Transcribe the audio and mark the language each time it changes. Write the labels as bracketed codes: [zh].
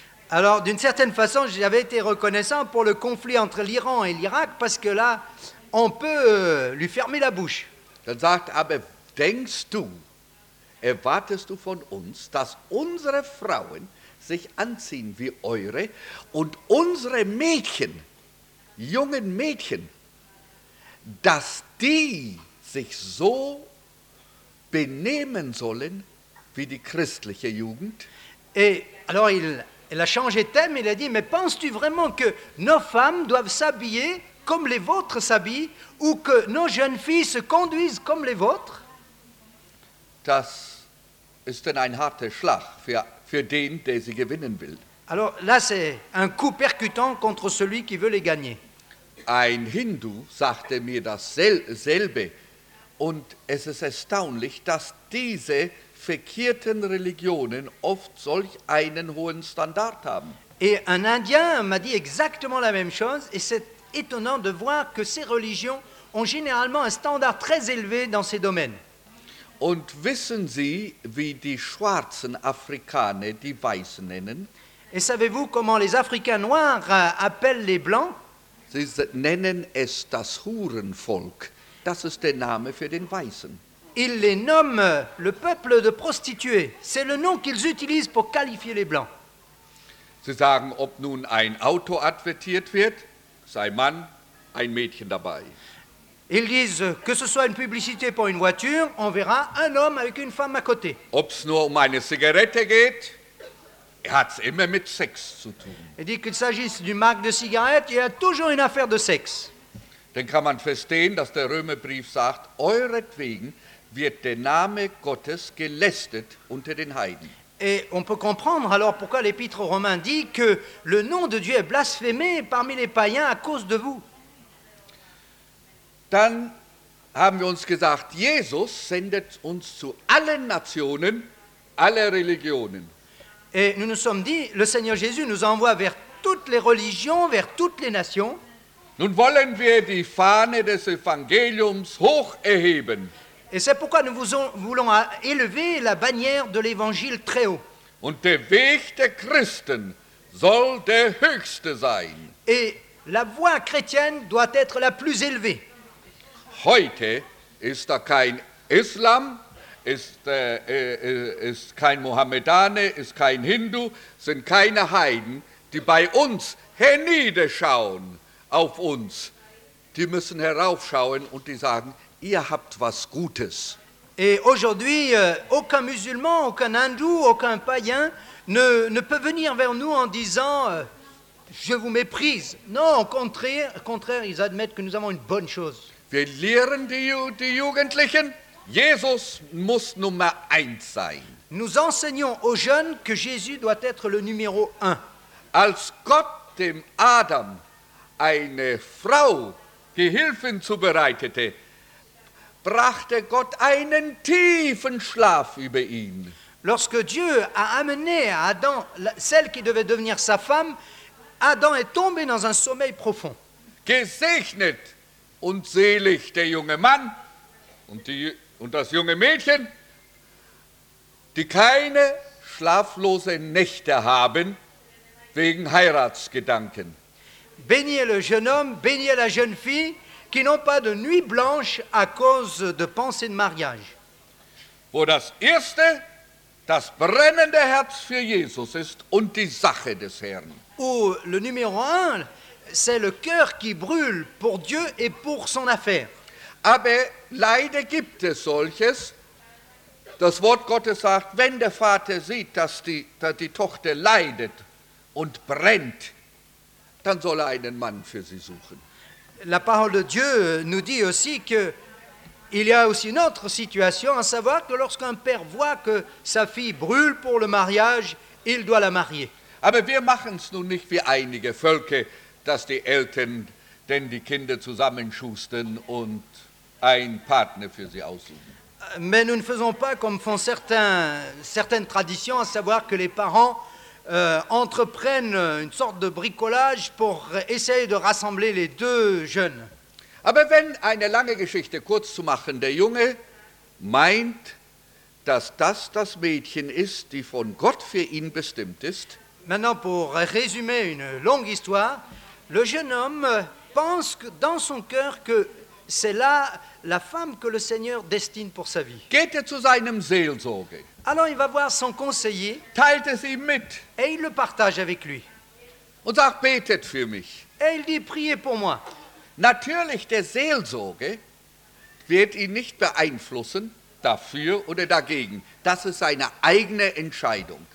[fr] Alors, d'une certaine façon, j'avais été reconnaissant pour le conflit entre l'Iran et l'Irak, parce que là, on peut lui fermer la bouche. [de] Dann sagt, aber denkst du, erwartest du von uns, dass unsere Frauen sich anziehen wie eure und unsere Mädchen, jungen Mädchen, dass die sich so benehmen sollen wie die christliche Jugend? [fr] Et alors il a changé thème, il a dit, mais penses-tu vraiment que nos femmes doivent s'habiller comme les vôtres s'habillent ou que nos jeunes filles se conduisent comme les vôtres? [de] Das ist denn ein harter Schlag für den, der sie gewinnen will. [fr] Alors là, c'est un coup percutant contre celui qui veut les gagner. [de] Ein Hindu sagte mir dasselbe und es ist erstaunlich, dass diese verkehrten Religionen oft solch einen hohen Standard haben. [fr] Et un Indien m'a dit exactement la même chose et c'est étonnant de voir que ces religions ont généralement un standard très élevé dans ces domaines. [de] Und wissen Sie, wie die schwarzen Afrikaner die Weißen nennen? [fr] Et savez-vous comment les Africains noirs appellent les Blancs? [de] Sie nennen es das Hurenvolk. Das ist der Name für den Weißen. [fr] Ils les nomment le peuple de prostituées. C'est le nom qu'ils utilisent pour qualifier les Blancs. [de] Sie sagen, ob nun ein Auto advertiert wird, sei Mann, ein Mädchen dabei. [fr] Ils disent que ce soit une publicité pour une voiture, on verra un homme avec une femme à côté. [de] Ob es nur um eine Zigarette geht, Er hat's immer mit Sex zu tun. [fr] Er dit qu'il s'agit du marque de cigarette, il y a toujours une affaire de sexe. [de] Dann kann man verstehen, dass der Römerbrief sagt, euretwegen wird der Name Gottes gelästert unter den Heiden. [fr] Et on peut comprendre alors pourquoi l'épître aux Romains dit que le nom de Dieu est blasphémé parmi les païens à cause de vous. [de] Dann haben wir uns gesagt, Jesus sendet uns zu allen Nationen, alle Religionen. [fr] Et nous nous sommes dit, le Seigneur Jésus nous envoie vers toutes les religions, vers toutes les nations. [de] Nun wollen wir die Fahne des Evangeliums hoch erheben. [fr] Et c'est pourquoi nous voulons élever la bannière de l'Évangile très haut. [de] Und der Weg der Christen soll der höchste sein. [fr] Et la voie chrétienne doit être la plus élevée. [de] Heute ist da kein Islam, ist kein Mohammedane, ist kein Hindu, sind keine Heiden, die bei uns herniederschauen auf uns. Die müssen heraufschauen und die sagen, ihr habt was Gutes. [fr] Et aujourd'hui, aucun musulman, aucun hindou, aucun païen ne peut venir vers nous en disant, je vous méprise. Non, au contraire, ils admettent que nous avons une bonne chose. [de] Wir lehren die Jugendlichen, Jesus muss Nummer 1 sein. [fr] Nous enseignons aux jeunes que Jésus doit être le numéro 1. [de] Als Gott dem Adam eine Frau Gehilfin zubereitete, brachte Gott einen tiefen Schlaf über ihn. [fr] Lorsque Dieu a amené à Adam celle qui devait devenir sa femme, Adam est tombé dans un sommeil profond. [de] Gesegnet und selig der junge Mann und das junge Mädchen, die keine schlaflose Nächte haben wegen Heiratsgedanken. [fr] Béni est le jeune homme, béni est la jeune fille, qui n'ont pas de nuit blanche à cause de pensées de mariage. [de] Wo das erste, das brennende Herz für Jesus ist und die Sache des Herrn. [fr] Où le numéro un, c'est le cœur qui brûle pour Dieu et pour son affaire. [de] Aber leider gibt es solches. Das Wort Gottes sagt, wenn der Vater sieht, dass die Tochter leidet und brennt, dann soll einen Mann für sie suchen. [fr] La parole de Dieu nous dit aussi qu'il y a aussi une autre situation, à savoir que lorsqu'un père voit que sa fille brûle pour le mariage, il doit la marier. [de] Aber wir machen's nun nicht wie einige Völker, dass die Eltern denn die Kinder zusammenschusten und einen Partner für sie aussuchen. [fr] Mais nous ne faisons pas comme font certaines traditions, à savoir que les parents entreprennent une sorte de bricolage pour essayer de rassembler les deux jeunes. [de] Aber wenn eine lange Geschichte kurz zu machen, der Junge meint, dass das Mädchen ist, die von Gott für ihn bestimmt ist. [fr] Maintenant, pour résumer une longue histoire, le jeune homme pense que dans son cœur que c'est là la femme que le Seigneur destine pour sa vie. [de] Geht zu seinem Seelsorger. [fr] Alors il va voir son conseiller. [de] Teilt es ihm mit. [fr] Et il le partage avec lui. [de] Und sagt, betet für mich. [fr] Et il dit, priez pour moi. [de] Natürlich, der Seelsorger wird ihn nicht beeinflussen, dafür oder dagegen. Das ist seine eigene Entscheidung.